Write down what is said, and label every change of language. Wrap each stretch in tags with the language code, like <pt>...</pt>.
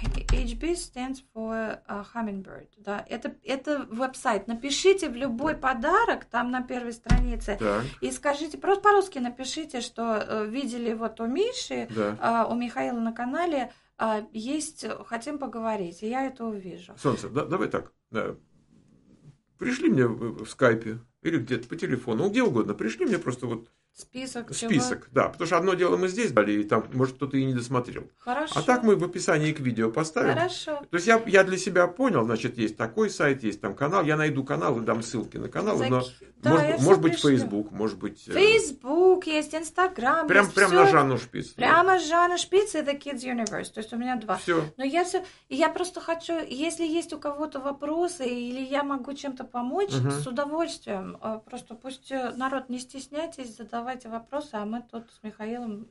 <en>HB stands for Hummingbird.</en> <ru>Да, это веб-сайт. Напишите в любой подарок там на первой странице и скажите, просто по-русски напишите, что видели вот у Миши, у Михаила на канале. Есть, хотим поговорить, и я это увижу. Солнце, давай так. Пришли мне в скайпе или где-то по телефону, где угодно. Пришли мне просто вот список, да. Потому что одно дело мы здесь дали, и там, может, кто-то и не досмотрел. Хорошо. А так мы в описании к видео поставим. Хорошо. То есть я для себя понял, значит, есть такой сайт, есть там канал. Я найду канал и дам ссылки на канал. Но может быть, Facebook, может быть... Facebook есть, Instagram. Прямо на Жанну Шпиц. Прямо Жанна Шпиц и The Kids Universe. То есть у меня два. Все. Но я просто хочу, если есть у кого-то вопросы, или я могу чем-то помочь, с удовольствием. Просто пусть народ не стесняйтесь, задавайте вопросы, а мы тут с Михаилом...</ru>